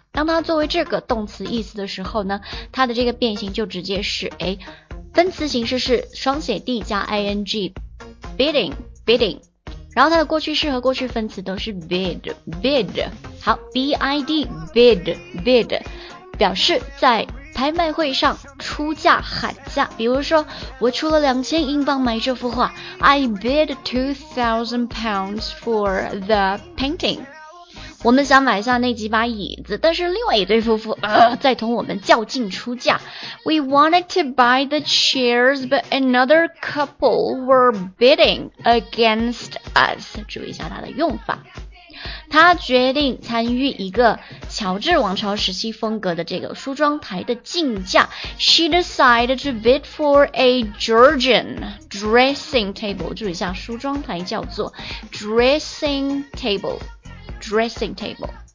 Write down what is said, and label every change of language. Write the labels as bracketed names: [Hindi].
[Chinese] 当它作为这个动词意思的时候呢，它的这个变形就直接是哎，分词形式是双写 d 加 ing， bidding， bidding， 然后它的过去式和过去分词都是 bid， bid， 好， bid， bid， bid， 表示在拍卖会上出价喊价。比如说我出了2000英镑买这幅画， [English] I bid 2000 pounds for the painting。 [Chinese] 我们想买下那几把椅子，但是另外一对夫妇在同我们较劲出价。 [English] We wanted to buy the chairs, but another couple were bidding against us. [Chinese] 注意一下它的用法。他决定参与一个乔治王朝时期风格的这个梳妆台的竞价。 [English] She decided to bid for a Georgian dressing table. [Chinese] 注意一下，梳妆台叫做 dressing table。Dressing table。